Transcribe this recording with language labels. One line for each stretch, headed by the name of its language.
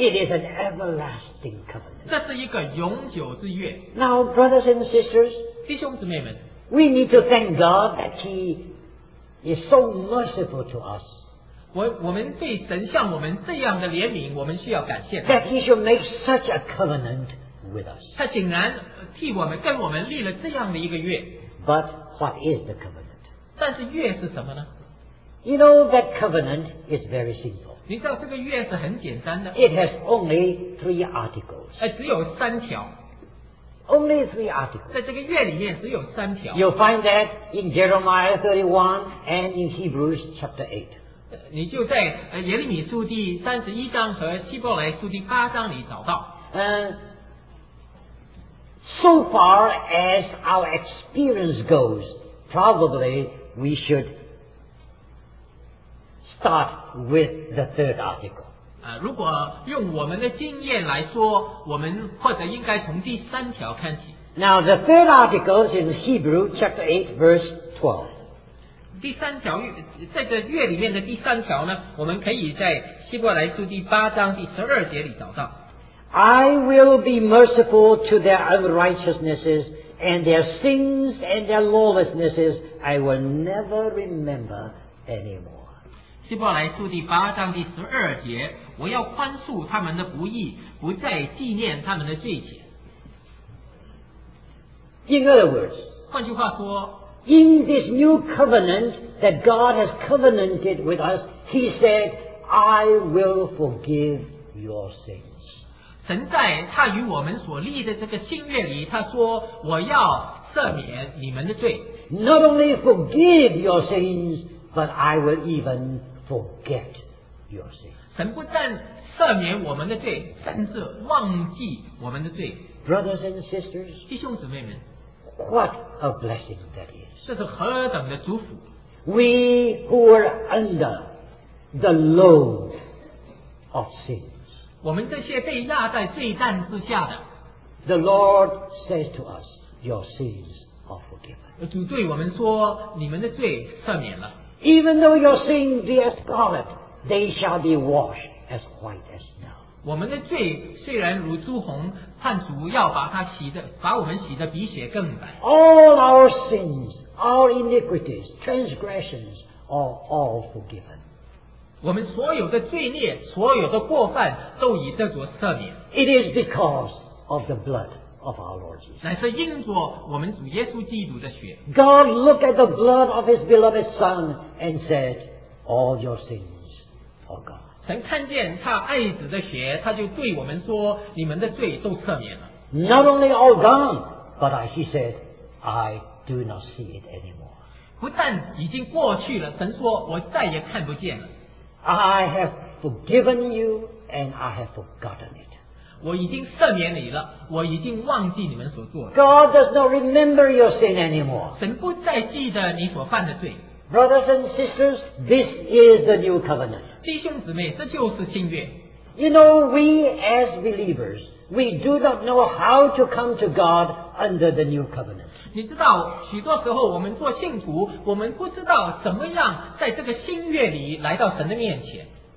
English: It is an everlasting covenant.
Chinese: 这是一个永久之约。
English: Now, brothers and sisters,
Chinese: 弟兄姊妹们，
English: we need to thank God that He is so merciful to us.
Chinese: 我们对神像我们这样的怜悯，我们需要感谢他。
English: That He should make such a covenant with us.
Chinese: 他竟然替我们跟我们立了这样的一个约。
English: But what is the covenant?
Chinese: 但是约是什么呢？
English: You know that covenant is very simple.
Chinese: 你知道这个约是很简单的。
English: It has only three articles.
Chinese: 只有三条。
English: Only three articles.
Chinese: 在这个约里面只有三条。
English: You'll find that in Jeremiah 31 and in Hebrews chapter 8.
Chinese: 你就在耶利米书第31章和希伯来书第8章里找到。
English: So far as our experience goes, probably we should start with the third article.
Chinese: 如果用我们的经验来说，我们或者应该从第三条看起。
English: Now the third article is in Hebrews chapter 8 verse 12.
Chinese: 第三条，这个月里面的第三条呢，我们可以在希伯来书第八章第十二节里找到。
English: I will be merciful to their unrighteousnesses and their sins and their lawlessnesses I will never remember anymore.
Chinese: 希伯来书第八章第十二节，我要宽恕他们的不义，不再纪念他们的罪孽。
English: In other words,
Chinese: 换句话说，
English: in this new covenant that God has covenanted with us, He said, I will forgive your sins.
Chinese: 神在他与我们所立的这个新约里，他说，我要赦免你们的罪。
English: Not only forgive your sins, but I will even forget your sins.
Chinese: 神不但赦免我们的罪，甚至忘记我们的罪。
English: Brothers and sisters,
Chinese: 弟兄姊妹们，
English: what a blessing that is.
Chinese: 这是何等的祝福。
English: We who were under the load of sin.
Chinese: 我们这些被压在罪担之下的。
English: The Lord says to us, your sins are forgiven.
Chinese: 主对我们说，你们的罪赦免了。
English: Even though your sins be as scarlet, they shall be washed as white as snow.
Chinese: 我们的罪虽然如朱红，但主要把它洗的，把我们洗的比血更白。
English: All our sins, our iniquities, transgressions are all forgiven.
Chinese: 我们所有的罪孽，所有的过犯，都已得着赦免。
English: It is because of the blood of our Lord Jesus.
Chinese: 乃是因着我们主耶稣基督的血。
English: God looked at the blood of His beloved Son and said, "All your sins are gone."
Chinese: 神看见他爱子的血，他就对我们说：“你们的罪都赦免了。”
English: Not only all gone, but He said, I do not see it anymore.
Chinese: 不但已经过去了，神说我再也看不见了。
English: I have forgiven you and I have forgotten it.
Chinese: 我已经赦免你了，我已经忘记你们所做的。
English: God does not remember your sin anymore.
Chinese: 神不再记得你所犯的罪。
English: Brothers and sisters, this is the new covenant.
Chinese: 弟兄姊妹，这就是新约。
English: You know, we as believers, we do not know how to come to God under the new covenant.
Chinese: 你知道，许多时候我们做信徒，我们不知道怎么样在这个新约里来到神的面前。